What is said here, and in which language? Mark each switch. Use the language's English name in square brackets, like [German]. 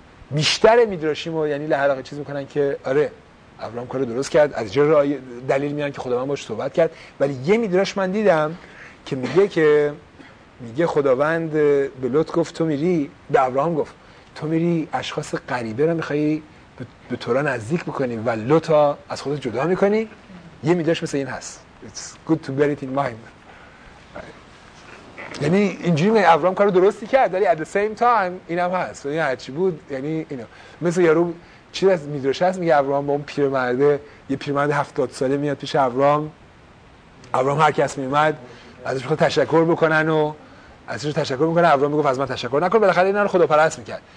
[Persian] بیشتر میدراشیم و یعنی لحظه چیز میکنن که آره ابراهام کارو درست کرد، از جای دلیل میان که خداوند باش صحبت کرد، ولی یه میدراش من دیدم که میگه میگه خداوند به لوط گفت تو میری، به ابراهام گفت تو میری اشخاص غریبه رو میخوایی به تورا نزدیک بکنی و لوط از خودت جدا میکنی. یه میداش مثل این هست [English] It's good to bear it in mind. [Persian] یعنی اینجوری میگه ابراهام کارو درستی کرد، ولی [English] at the same time [Persian] اینم هست، یعنی هرچی بود یعنی اینو مثل یارو چیز از میداش هست، میگه ابراهام با اون پیرمرده، یه پیرمرده 70 ساله میاد پیش ابراهام، ابراهام هر کس میومد ازش میخواد تشکر بکنن و ازش تشکر میکنه، ابراهام میگفت از من تشکر نکن، بالاخره اینا رو خداپرست میکرد.